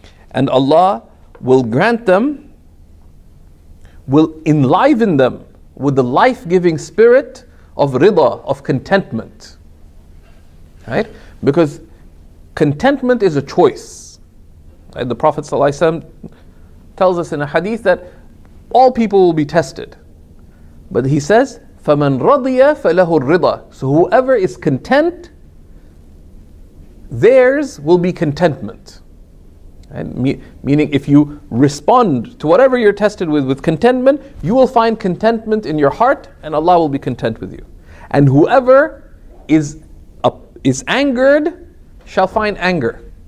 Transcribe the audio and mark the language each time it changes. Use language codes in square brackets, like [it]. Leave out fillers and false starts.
[en] And Allah will grant them, will enliven them with the life-giving spirit of rida, of contentment. Right? Because contentment is a choice. Right? The Prophet sallallahu alaihi wasallam tells us in a hadith that all people will be tested. But he says, [ar] فَمَنْ رَضِيَ فَلَهُ الرِّضَى. [en] So whoever is content, theirs will be contentment. And meaning if you respond to whatever you're tested with contentment, you will find contentment in your heart and Allah will be content with you. And whoever is angered shall find anger.